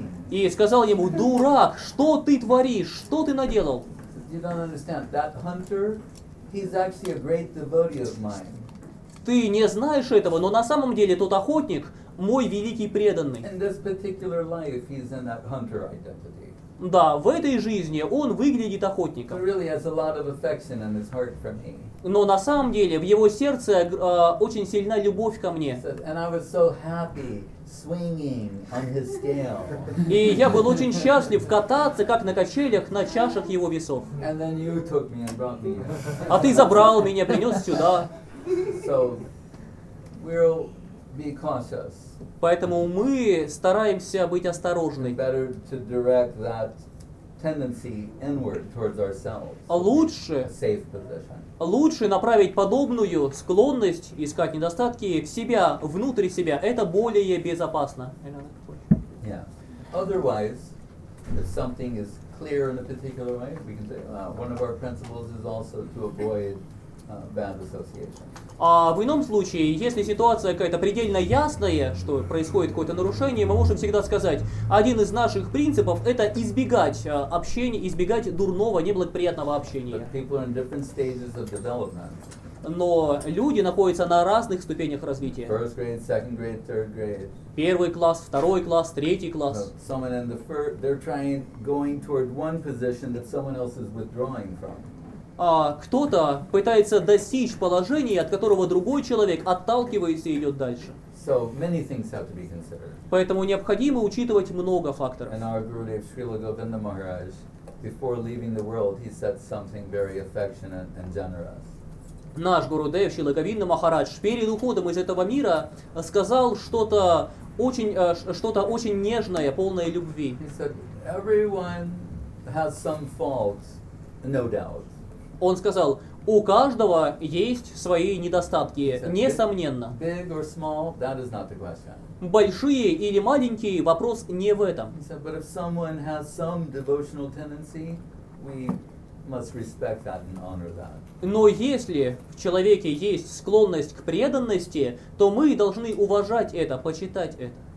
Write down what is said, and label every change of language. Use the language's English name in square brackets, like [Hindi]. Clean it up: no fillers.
[Russian] И сказал ему, дурак, что ты творишь, что ты наделал? [English] You don't understand. That hunter, he's actually a great devotee of mine. [Russian] Ты не знаешь этого, но на самом деле тот охотник мой великий преданный. [English] In this particular life, he's in that hunter identity. [Russian] Да, в этой жизни он выглядит охотником. [English] He really has a lot of affection in his heart for me. [Russian] Но на самом деле в его сердце очень сильна любовь ко мне. [English] And I was so happy swinging on his scale. [Russian] И я был очень счастлив кататься, как на качелях, на чашах его весов. [English] And then you took me and brought me. [Russian] А ты забрал меня, принес сюда. [English] So we'll be cautious. [Russian] Поэтому мы стараемся быть осторожны. [English] Better to direct that tendency inward towards ourselves. [Russian] А лучше [English] safe position. [Russian] Лучше направить подобную склонность искать недостатки в себя, внутри себя. Это более безопасно. [English] Yeah. Otherwise, if something is clear in a particular way, we can say one of our principles is also to avoid bad association. [Russian] А в ином случае, если ситуация какая-то предельно ясная, что происходит какое-то нарушение, мы можем всегда сказать, один из наших принципов – это избегать общения, избегать дурного, неблагоприятного общения. [English] But people are in different stages of development. [Russian] Но люди находятся на разных ступенях развития. [English] First grade, second grade, third grade. [Russian] Первый класс, второй класс, третий класс. [English] Someone in the first, they're trying, going toward one position that someone else is withdrawing from. [Russian] Кто-то пытается достичь положения, от которого другой человек отталкивается и идет дальше. [English] So many things have to be considered. [Russian] Поэтому необходимо учитывать много факторов. [English] And our guru, Srila Govinda Maharaj, before leaving the world, he said something very affectionate and generous. [Russian] Наш Гурудев Шрила Говинда Махарадж перед уходом из этого мира сказал что-то очень нежное, полное любви. [English] He said, everyone has some faults, no doubt. [Russian] Он сказал, у каждого есть свои недостатки, несомненно. [English] Big or small, that is not the question. [Russian] Большие или маленькие, вопрос не в этом. [English] He said, but if someone has some devotional tendency, we must respect that and honor that. [Russian] Но если в человеке есть склонность к преданности, то мы должны уважать это, почитать это.